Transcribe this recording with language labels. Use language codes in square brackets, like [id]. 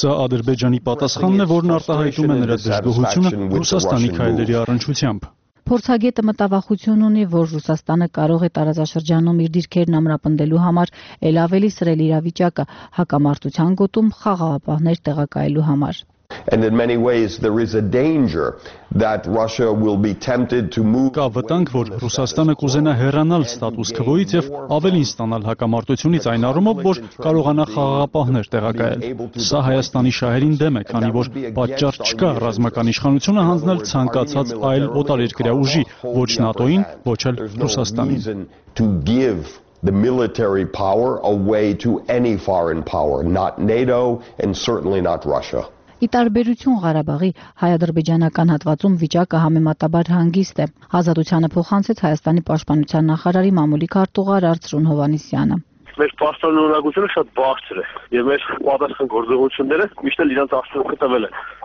[hy] Սա Ադրբեջանի պատասխանն է, որն արտահայտում է նրա դժգոհությունը Ռուսաստանի քայլերի առնչությամբ։ Փորձագետը մտավախություն ունի, որ Ռուսաստանը կարող է տարածաշրջանում իր դիրքերն ամրապնդելու համար էլ ավելի սրել իրավիճակը հակամարտության գոտում խաղաղապահներ տեղակայելու համար։ [en] And in many ways there is a danger that Russia will be tempted to move. [hy] Կա վտանգ, որ Ռուսաստանը կուզենա հեռանալ ստատուս քվոյից եւ ավելին ստանալ հակամարտությունից այն առումով, որ կարողանա խաղաղապահներ տեղակայել։ Սա Հայաստանի շահերին դեմ է, քանի որ պատճառ չկա ռազմական իշխանությունը հանձնել ցանկացած այլ օտարերկրյա ուժի, ոչ ՆԱՏՕ-ին, ոչ էլ Ռուսաստանին։ [en] The military power away to any foreign power, not NATO and certainly not Russia. [hy] Ի տարբերություն Ղարաբաղի, հայ-ադրբեջանական հատվածում վիճակը համեմատաբար հանգիստ է։ Ազատությանը փոխանցեց Հայաստանի պաշտպանության նախարարի մամուլի քարտուղար Արծրուն Հովանիսյանը։ Մեր պաշտոնյունակությունը շատ բարձր է, եւ մեր պատասխան գործողությունները միշտ իրենց աշխուքը տվել են։